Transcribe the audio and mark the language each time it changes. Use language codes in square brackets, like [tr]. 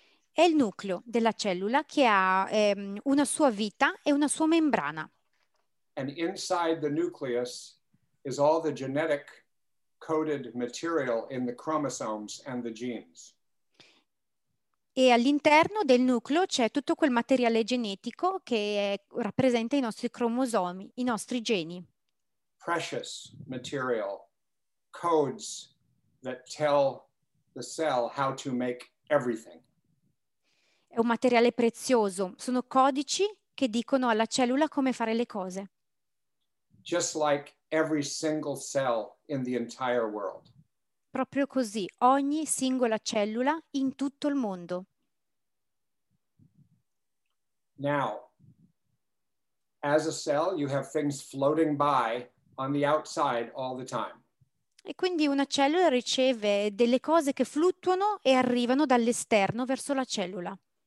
[it] È il nucleo della cellula che ha una sua vita e una sua membrana. [en] And inside the nucleus is all the genetic coded material in the chromosomes and the genes. [it] E all'interno del nucleo c'è tutto quel materiale genetico che rappresenta i nostri cromosomi, i nostri geni. [en] Precious material, codes that tell the cell how to make everything. [it] È un materiale prezioso, sono codici che dicono alla cellula come fare le cose. [en] Just like every single cell in the entire world. [it] Proprio così, ogni singola cellula in tutto il mondo. [en] Now, as a cell, you have things floating by on the outside all the time. [it] E quindi una cellula riceve delle cose che fluttuano e arrivano dall'esterno verso la cellula.